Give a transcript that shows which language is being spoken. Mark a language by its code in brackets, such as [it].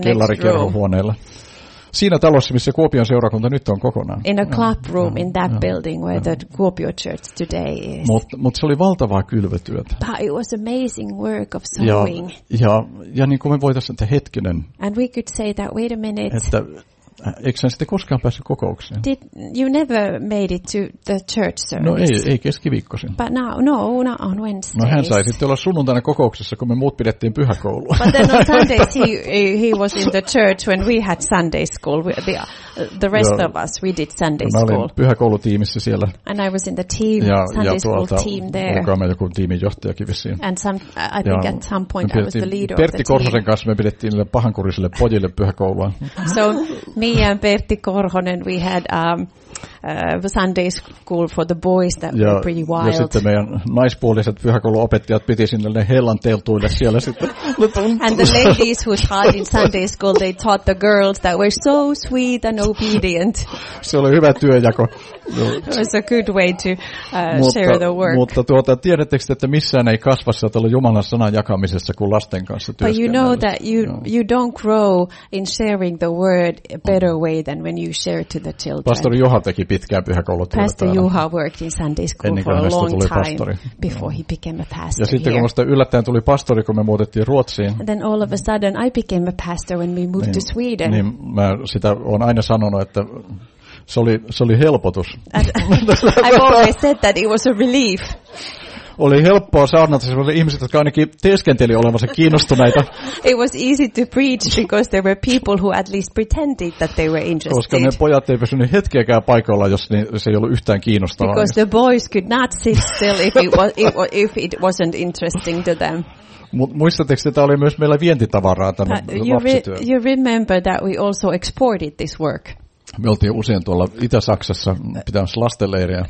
[fi] Kellarikerhohuoneella. Siinä talossa, missä Kuopion seurakunta nyt on kokonaan. [en] In a club room in that building where the Kuopio church today is. [fi] Mut se oli valtavaa kylvötyötä. [en] But it was amazing work of sowing. [fi] Ja niin kuin me voitaisiin, että hetkinen. [en] And we could say that, wait a minute. [fi] Että eikö sitten koskaan päässyt kokoukseen? [en] Did you never made it to the church service? [fi] No ei keskiviikkoisin. [en] But now, no, not on Wednesdays. [fi] No hän sai sitten olla sunnuntaina kokouksessa, kun me muut pidettiin pyhäkoulua. [en] But then on Sundays he was in the church when we had Sunday school. The rest of us, we did Sunday school. [fi] Mä olin pyhäkoulutiimissä siellä. [en] And I was in the team, Sunday school team there. [fi] Ja tuolta joku tiimijohtajakin vissiin. [en] And I think at some point I was the leader of the team. [fi] Pertti Korhosen kanssa me pidettiin niille pahankurisille pojille pyhäkoulua. [en] So me and Pertti Korhonen, we had Sunday school for the boys that were pretty wild. [fi] Ja sitten meidän naispuoliset pyhäkouluopettajat piti sinne ne hellan teltuille siellä sitten. [en] And the ladies who taught in Sunday school, they taught the girls that were so sweet and obedient. [fi] Se oli hyvä työjako. [en] It was a good way to share the work. [fi] Mutta tiedättekö, että missään ei kasva sieltä olla Jumalan sanan jakamisessa kuin lasten kanssa työskennellä. [en] But you know that you don't grow in sharing the word a better way than when you share to the children. [fi] Pastori Juha teki pitkään pyhäkoulutyötä. [en] Pastor Juha worked in Sunday school for a long time pastori. Before he became a pastor. [fi] Ja sitten kun musta yllättäen tuli pastori, kun me muutettiin Ruotsiin. [en] And then all of a sudden I became a pastor when we moved to Sweden. [fi] Niin mä sitä olen aina sanonut, että Se oli helpotus. [en] I've always said that it was a relief. [fi] Oli helppoa saarnata sellaisille ihmisille, jotka ainakin teeskenteli olevansa kiinnostuneita. [en] It was easy to preach because there were people who at least pretended that they were interested. [fi] Koska ne pojat ei pysynyt hetkeäkään paikalla, jos se ei ollut yhtään kiinnostavaa. [en] Because the boys could not sit still if it wasn't interesting to them. [fi] Muistatteko, että tämä oli myös meillä vientitavaraa tämä lapsityö? [en] You remember that we also exported this work. [fi] Me oltiin usein tuolla Itä-Saksassa pitämässä lastenleiriä.